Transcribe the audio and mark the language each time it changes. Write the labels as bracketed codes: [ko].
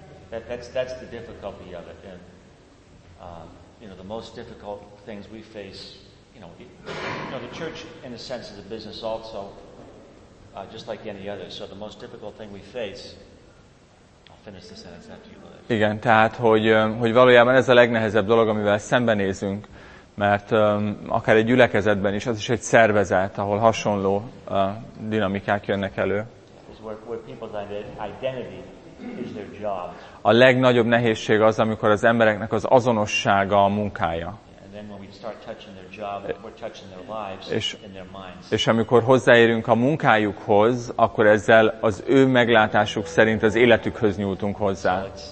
[en] That's the difficulty of it. And you know, the most difficult things we face, you know, the church in a sense is a business also, just like any other. So the most difficult thing we face, I'll finish the sentence after you leave. [hu] Igen, tehát hogy valójában ez a legnehezebb dolog, amivel szembenézünk, mert akár egy gyülekezetben is, az is egy szervezet, ahol hasonló dinamikák jönnek elő. [en] Where people's identity is their job. [hu] A legnagyobb nehézség az, amikor az embereknek az azonossága a munkája. [en] Then when we start touching their job, we're touching their lives and their minds. [hu] És amikor hozzáérünk a munkájukhoz, akkor ezzel az ő meglátásuk szerint az életükhöz nyúltunk hozzá.